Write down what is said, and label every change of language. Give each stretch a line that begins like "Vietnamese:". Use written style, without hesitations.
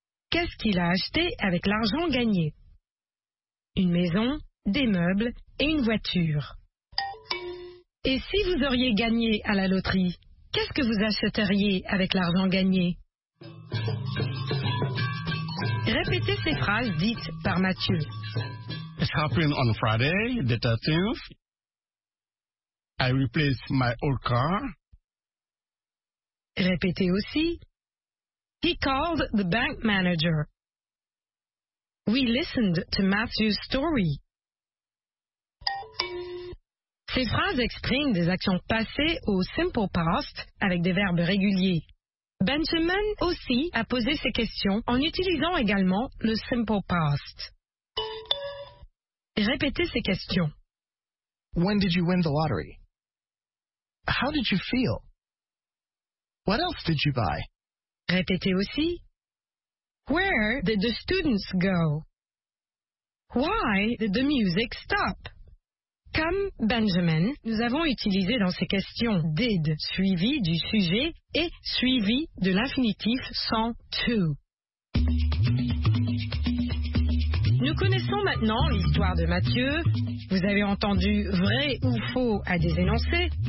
French: Qu'est-ce qu'il a acheté avec l'argent gagné? Une maison, des meubles et une voiture. Et si vous auriez gagné à la loterie, qu'est-ce que vous achèteriez avec l'argent gagné? Répétez ces phrases dites par Mathieu.
English: It's happening on Friday, the 13th. I replace my old car.
French: Répétez aussi.
English: He called the bank manager. We listened to Matthew's story.
French: Ces phrases expriment des actions passées au simple past avec des verbes réguliers. Benjamin aussi a posé ces questions en utilisant également le simple past. Répétez ces questions.
English: When did you win the lottery? How did you feel? What else did you buy?
French: Répétez aussi.
English: Where did the students go? Why did the music stop?
French: Comme Benjamin, nous avons utilisé dans ces questions « did » suivi du sujet et suivi de l'infinitif sans « to ». Nous connaissons maintenant l'histoire de Mathieu. Vous avez entendu « vrai » ou « faux » à des énoncés.